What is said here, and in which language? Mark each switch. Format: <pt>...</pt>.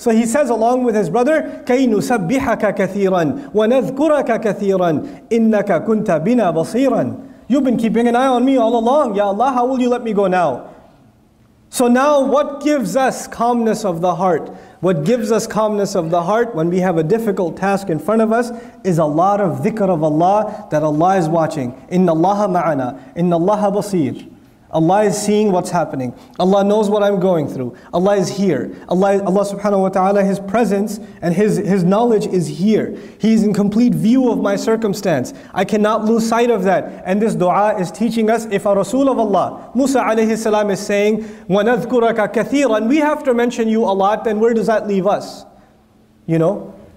<en>So he says along with his brother,</en> <ar>كَيْ نُسَبِّحَكَ كَثِيرًا وَنَذْكُرَكَ كَثِيرًا إِنَّكَ كُنْتَ بِنَا بَصِيرًا</ar> <en>You've been keeping an eye on me all along. Ya Allah, how will you let me go now? So now what gives us calmness of the heart? What gives us calmness of the heart when we have a difficult task in front of us is a lot of dhikr of Allah, that Allah is watching.</en> <ar>إِنَّ اللَّهَ مَعَنَا إِنَّ اللَّهَ بَصِيرٌ</ar> <en>Allah is seeing what's happening. Allah knows what I'm going through. Allah is here. Allah subhanahu wa ta'ala, His presence and His knowledge is here. He is in complete view of my circumstance. I cannot lose sight of that. And this dua is teaching us, if a Rasul of Allah, Musa alayhi salam, is saying,</en> <ar>وَنَذْكُرَكَ كَثِيرًا</ar> <en>We have to mention you a lot, then where does that leave us? You know?</en>